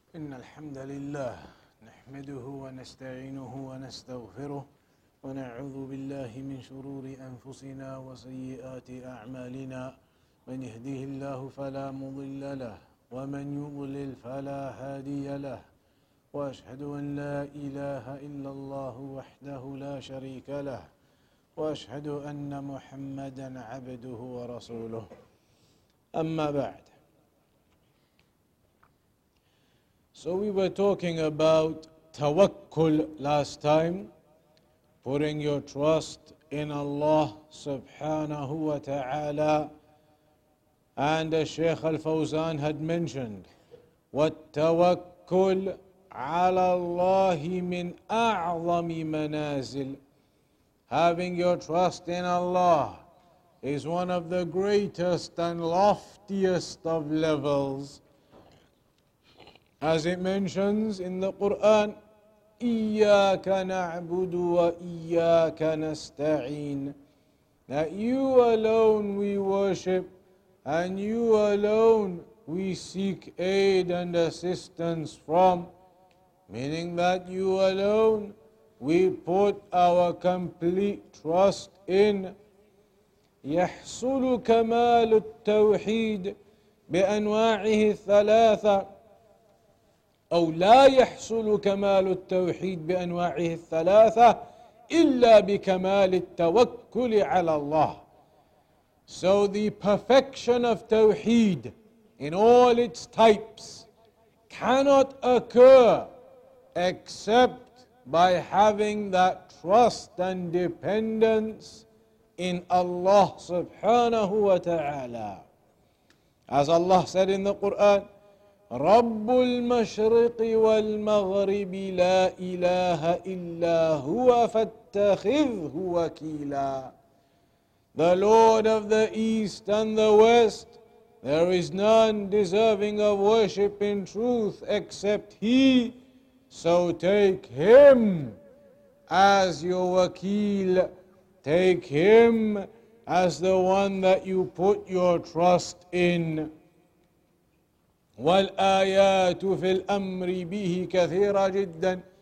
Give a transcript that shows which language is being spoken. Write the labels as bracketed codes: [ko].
[ar] إن الحمد لله نحمده ونستعينه ونستغفره ونعوذ بالله من شرور أنفسنا وسيئات أعمالنا من يهده الله فلا مضل له ومن يضلل فلا هادي له وأشهد أن لا إله إلا الله وحده لا شريك له وأشهد أن محمدا عبده ورسوله أما بعد. [en] So we were talking about tawakkul last time, putting your trust in Allah subhanahu wa ta'ala. And as Shaykh Al-Fawzan had mentioned, [ar] وَالتَّوَكُّلْ عَلَى اللَّهِ مِنْ أَعْظَمِ مَنَازِلٍ. [en] Having your trust in Allah is one of the greatest and loftiest of levels. As it mentions in the Quran, [ar] إِيَّاكَ نَعْبُدُ وَإِيَّاكَ نَسْتَعِينَ. [en] That you alone we worship, and you alone we seek aid and assistance from. Meaning that you alone we put our complete trust in. [ar] يَحْصُلُ كَمَالُ التَّوْحِيدِ بِأَنْوَاعِهِ الثَّلَاثَةِ أو لا يحصل كمال التوحيد بأنواعه الثلاثة إلا بكمال التوكل على الله. [en] So the perfection of tawheed in all its types cannot occur except by having that trust and dependence in Allah [ar] سبحانه وتعالى. [en] As Allah said in the Quran, [ar] رب المشرق والمغرب لا إله إلا هو فاتخذه وكيلا. [en] The Lord of the East and the West, there is none deserving of worship in truth except He, so take Him as your wakil, take Him as the one that you put your trust in. [ar] والآيات في الأمر به كثيرة جدا.